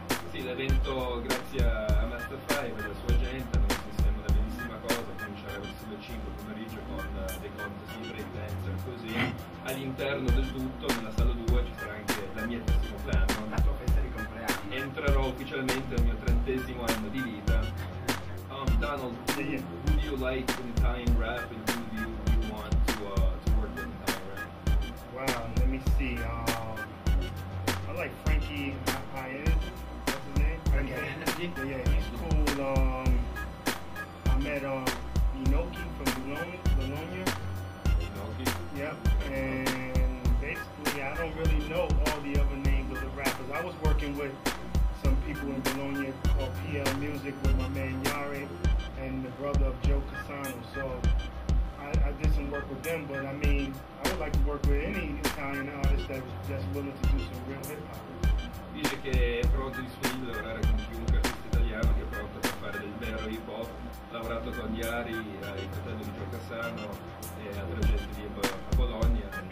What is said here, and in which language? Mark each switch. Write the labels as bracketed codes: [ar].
[it] Sì, l'evento grazie a Master Five e alla sua gente, non si sembra una bellissima cosa, cominciare verso le 5 pomeriggio con dei contest di breakdancer, così all'interno del tutto, nella sala 2, ci sarà anche la mia decima anno. La tua festa di compleanno. Entrerò ufficialmente nel mio 30° anno di vita. [en] Donald, who do you like in time rap and who do you want to work in time rap? Wow, let me see. I like Frankie Paez, what's his name? Frankie. Yeah, he's cool. I met Inoki from Bologna. Inoki? Yep, and basically I don't really know all the other names of the rappers. I was working with some people in Bologna called PL Music with my man Yari and the brother of Joe Cassano, so I did some work with them, but I mean, I would like to work with any Italian artist that's willing to do some real hip hop. [it] Dice che è pronto e disponibile a lavorare con chiunque artista italiano che è pronto per fare del vero hip hop. Ha lavorato con Yari, il fratello di Joe Cassano e altre gente lì a Bologna.